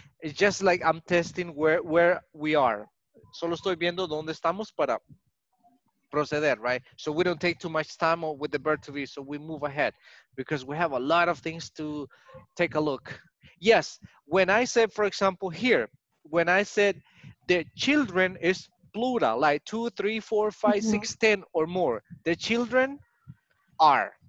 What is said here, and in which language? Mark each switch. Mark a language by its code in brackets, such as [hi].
[en] It's just like I'm testing where we are. [es] Solo estoy viendo dónde estamos para proceder, right? [en] So we don't take too much time with the bird to be, so we move ahead because we have a lot of things to take a look. Yes, when I said, for example, here, when I said the children is plural, like 2, 3, 4, 5, mm-hmm. 6, 10 or more, the children are.